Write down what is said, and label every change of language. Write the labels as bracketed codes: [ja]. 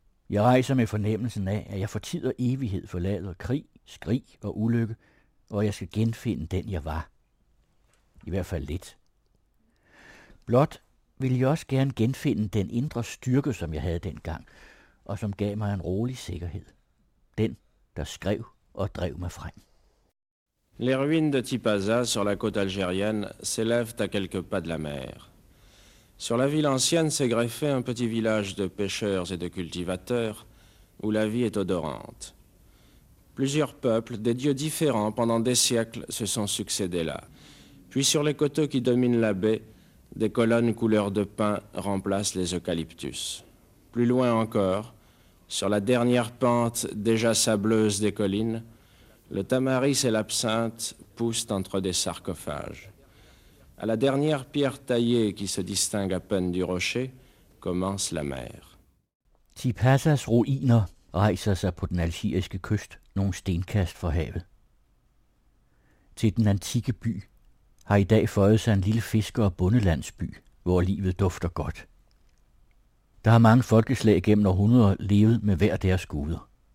[da] Jeg rejser med fornemmelsen af, at jeg for tid og evighed forlader krig, skrig og ulykke, og jeg skal genfinde den, jeg var. I hvert fald lidt. Blot ville jeg også gerne genfinde den indre styrke, som jeg havde dengang, og som gav mig en rolig sikkerhed. Den, der skrev og drev mig frem. [fr] Les ruines de Tipaza sur la côte algérienne s'élèvent à quelques pas de la mer. Sur la ville ancienne s'est greffé un petit village de pêcheurs et de cultivateurs où la vie est odorante. Plusieurs peuples, des dieux différents pendant des siècles, se sont succédés là. Puis sur les coteaux qui dominent la baie, des colonnes couleur de pin remplacent les eucalyptus. Plus loin encore, sur la dernière pente déjà sableuse des collines, le tamaris et l'absinthe poussent entre des sarcophages. À la dernière pierre taillée qui se distingue à peine du rocher, commence la mer. [da] Tipazas ruiner rejser sig på den algeriske kyst, nogle stenkast fra havet. Til den antikke by har i dag føjet sig en lille fisker- og bondelandsby, hvor livet dufter godt. Der har mange folkeslag gennem århundreder levet med hver deres guder.